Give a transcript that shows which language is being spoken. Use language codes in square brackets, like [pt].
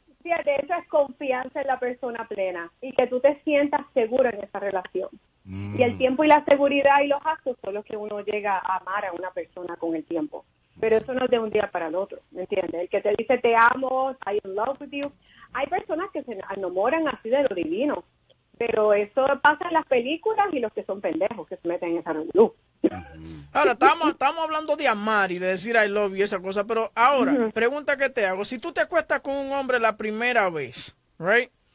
[es] Fíjate, eso es confianza en la persona plena. Y que tú te sientas seguro en esa relación. Y el tiempo y la seguridad y los actos son los que uno llega a amar a una persona con el tiempo. Pero eso no es de un día para el otro, ¿me entiendes? El que te dice te amo, [en] I'm in love with you. [es] Hay personas que se enamoran así de lo divino. Pero eso pasa en las películas y los que son pendejos que se meten en esa revolú. Ahora, estamos hablando de amar y de decir [en] I love you [es] y esa cosa. Pero ahora, pregunta que te hago. Si tú te acuestas con un hombre la primera vez, right?